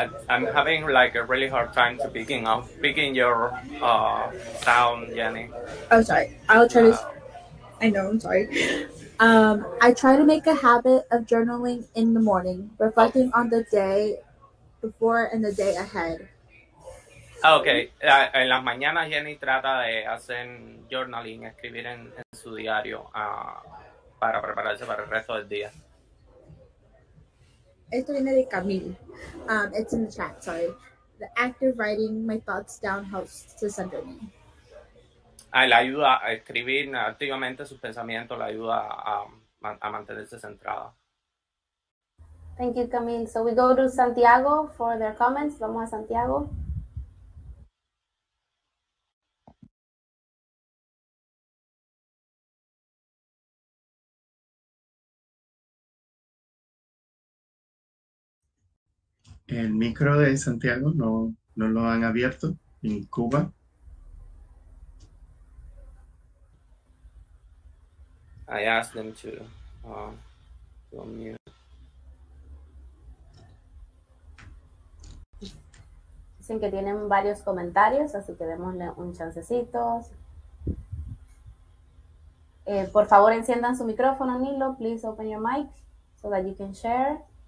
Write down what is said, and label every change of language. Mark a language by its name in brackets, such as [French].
[English] I'm having like a really hard time to picking up, picking your sound, Jenny. Oh, sorry. I'll try to. I know. I'm sorry. I try to make a habit of journaling in the morning, reflecting on the day before and the day ahead. Okay. [Spanish] En las mañanas, Jenny trata de hacer [English] journaling, [Spanish] escribir en su diario para prepararse para el resto del día. Esto viene de Camille. [English] It's in the chat, sorry. The act of writing my thoughts down helps to center me. [Spanish] Ah, le ayuda a escribir activamente sus pensamientos, le ayuda a mantenerse centrada. [English] Thank you, Camille. So we go to Santiago for their comments. [Spanish] Vamos a Santiago. El micro de Santiago no lo han abierto en Cuba. [English] I asked them to unmute. [Spanish] Dicen que tienen varios comentarios, así que démosle un chancecito. Por favor, enciendan su micrófono, Nilo. [English] Please open your mic so that you can share.